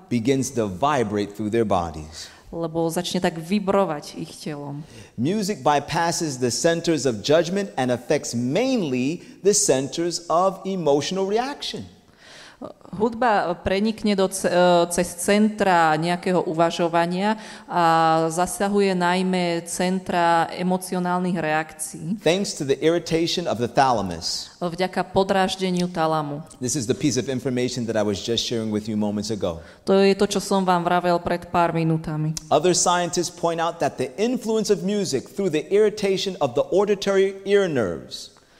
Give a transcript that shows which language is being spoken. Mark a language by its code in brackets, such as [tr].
[en] begins to vibrate through their bodies. [sk] Lebo začne tak vibrovať ich telom. [en] Music bypasses the centers of judgment and affects mainly the centers of emotional reaction. [sk] Hudba prenikne cez centra nejakého uvažovania a zasahuje najmä centra emocionálnych reakcií. [en] Thanks to the irritation of the thalamus. [sk] Vďaka podráždeniu talamu. [en] This is the piece of information that I was just sharing with you moments ago. [sk] To je to, čo som vám vravel pred pár minútami. [en] Other scientists point out that the influence of music through the irritation of the auditory ear nerves.